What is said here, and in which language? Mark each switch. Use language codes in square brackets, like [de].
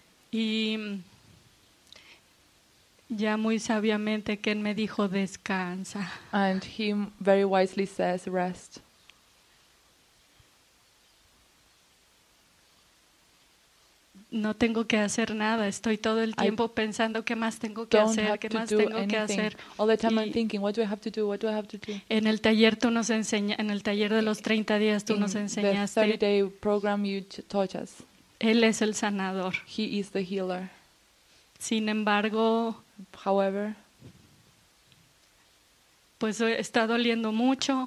[es] Y ya muy sabiamente Ken me dijo, descansa. [en] And he very wisely says, rest. [es] No tengo que hacer nada, estoy todo el tiempo pensando qué más tengo que hacer, qué más tengo que hacer. [en] All the time I'm thinking, what do I have to do, what do I have to do? [es] En el taller tú nos enseñaste, en el taller de los 30 días tú nos enseñaste. [en] The 30-day program you taught us. [es] Él es el sanador. [en] He is the healer. [es] Sin embargo, [en] however, [es] pues está doliendo mucho.